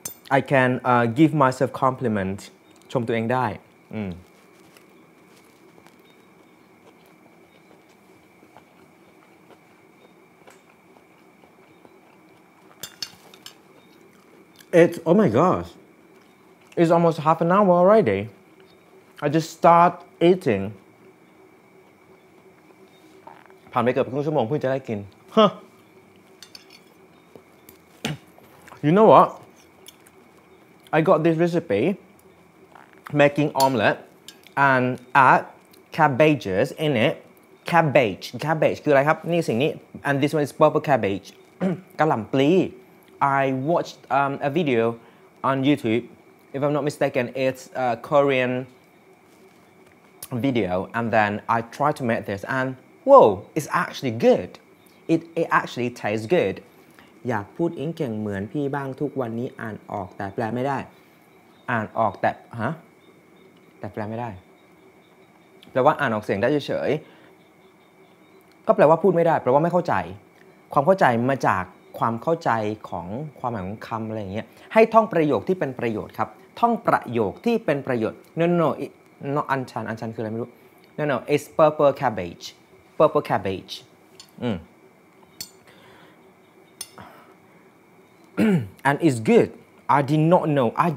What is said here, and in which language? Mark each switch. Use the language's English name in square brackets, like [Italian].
[English] I can give myself compliment. [Thai] ชมตัวเองได้อืม [English] It's, oh my gosh. It's almost half an hour already. I just start eating. [Thai] ผ่านไปเกือบครึ่งชั่วโมงเพิ่งจะได้กินฮะ [English] You know what? I got this recipe making omelette and add cabbages in it. Cabbage. Cabbage. [Thai] คืออะไรครับนี่สิ่งนี้ [English] And this one is purple cabbage. กะหล่ำปลี I watched a video on YouTube. If I'm not mistaken, it's a Korean video. And then I tried to make this and whoa, it's actually good. It actually tastes good. [Thai] อยากพูดอิงเก่งเหมือนพี่บ้างทุกวันนี้อ่านออกแต่แปลไม่ได้อ่านออกแต่ฮะแต่แปลไม่ได้แปลว่าอ่านออกเสียงได้เฉย ก็แปลว่าพูดไม่ได้แปลว่าไม่เข้าใจความเข้าใจมาจากความเข้าใจของความหมายของคำอะไรอย่างเงี้ยให้ท่องประโยคที่เป็นประโยชน์ครับท่องประโยคที่เป็นประโยชน์ no อันชันอันชันคืออะไรไม่รู้ [English] no it's purple cabbage and it's good. I did not know.